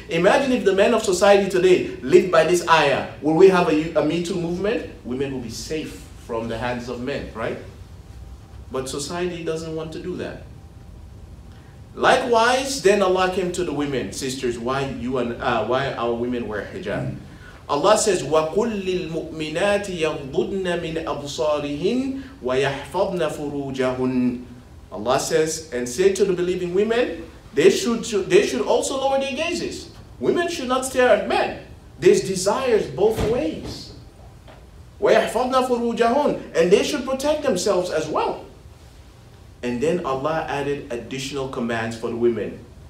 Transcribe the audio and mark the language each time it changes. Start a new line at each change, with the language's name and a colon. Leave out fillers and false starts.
English: Imagine if the men of society today lived by this ayah. Will we have a Me Too movement? Women will be safe from the hands of men, right? But society doesn't want to do that. Likewise, then Allah came to the women. Sisters, why our women wear hijab? Allah says,
Arabic: وَقُلْ لِلْمُؤْمِنَاتِ يَغْضُضْنَ مِنْ أَبْصَارِهِنَّ وَيَحْفَظْنَ فُرُوجَهُنَّ.
English: Allah says, and say to the believing women, they should also lower their gazes. Women should not stare at men. There's desires both ways.
Arabic: وَيَحْفَظْنَا فُرُوجَهُنَّ.
English: And they should protect themselves as well. And then Allah added additional commands for the women.